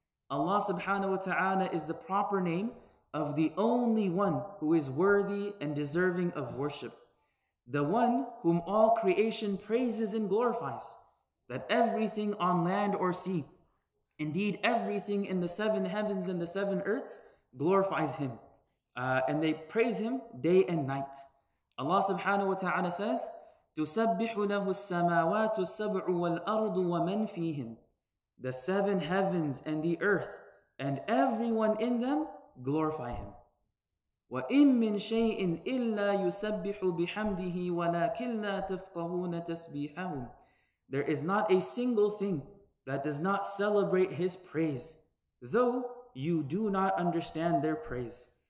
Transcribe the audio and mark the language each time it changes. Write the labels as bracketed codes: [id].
[en] Allah subhanahu wa ta'ala is the proper name of the only one who is worthy and deserving of worship. The one whom all creation praises and glorifies. That everything on land or sea, indeed everything in the seven heavens and the seven earths, glorifies Him. And they praise Him day and night. Allah subhanahu wa ta'ala says, [ar] تُسَبِّحُ لَهُ السَّمَاوَاتُ السَّبْعُ وَالْأَرْضُ وَمَنْ فِيهِنْ. [en] The seven heavens and the earth, and everyone in them, glorify Him. [ar] وَإِن مِّن شَيْءٍ إِلَّا يُسَبِّحُ بِحَمْدِهِ وَلَكِنْ لَا تَفْقَهُونَ تَسْبِيحَهُمْ. [en] There is not a single thing that does not celebrate His praise, though you do not understand their praise.